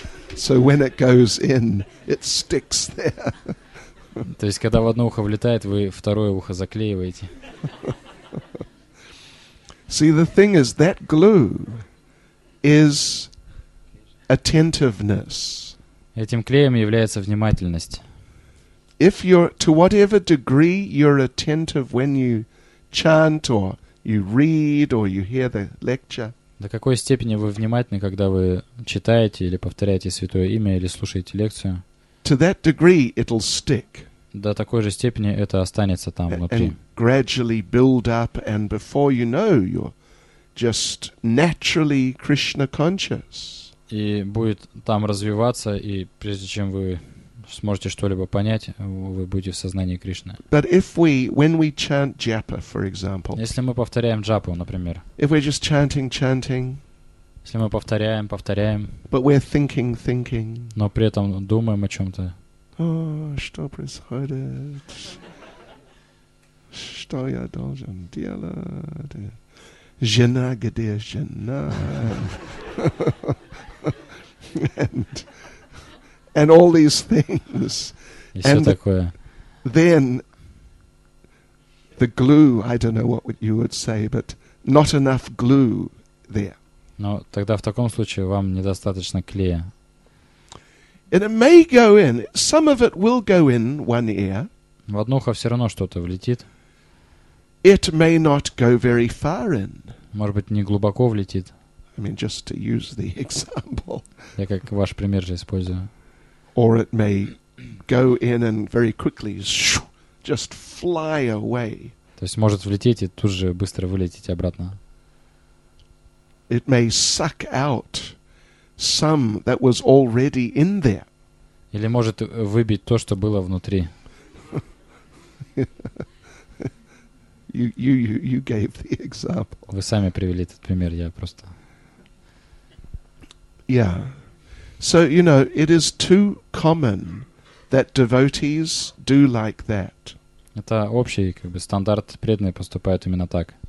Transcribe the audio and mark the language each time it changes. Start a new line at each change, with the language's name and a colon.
English: So when it goes in, it sticks there.
Russian: То есть когда в одно ухо влетает, вы второе ухо заклеиваете.
English: See, the thing is that glue is attentiveness.
Russian: Этим клеем является внимательность.
English: If you're to whatever degree you're attentive when you chant or you read or you hear the lecture.
Russian: До какой степени вы внимательны, когда вы читаете или повторяете святое имя или слушаете лекцию?
English: To that degree it'll stick.
Russian: До такой же степени это останется там внутри.
English: And gradually build up, and before you know, you're just naturally Krishna conscious.
Russian: И будет там развиваться, и прежде чем вы сможете что-либо понять, вы будете в сознании Кришны.
English: But if we, when we chant japa, for example,
Russian: если мы повторяем джапу, например,
English: if we're just chanting,
Russian: если мы повторяем,
English: but we're thinking,
Russian: но при этом думаем о чем-то, о, что происходит, что я должен делать, жена, где жена,
English: and all these things,
Russian: and такое.
English: Then the glue—I don't know what you would say—but not enough glue there.
Russian: Но тогда в таком случае вам недостаточно клея.
English: And it may go in. Some of it will go in one ear.
Russian: В одно ухо все равно что-то влетит.
English: It may not go very far in.
Russian: Может быть, не глубоко влетит.
English: I mean, just to use the example.
Russian: Я как ваш пример же использую.
English: Or it may go in and very quickly just fly away.
Russian: То есть может влететь и тут же быстро вылететь обратно.
English: It may suck out some that was already in there.
Russian: Или может выбить то, что было внутри.
English: You gave the example.
Russian: Вы сами привели этот пример, я просто.
English: Yeah. So, you know, it is too common that devotees do like that.
Russian: Это общий как бы стандарт, преданные поступают именно так.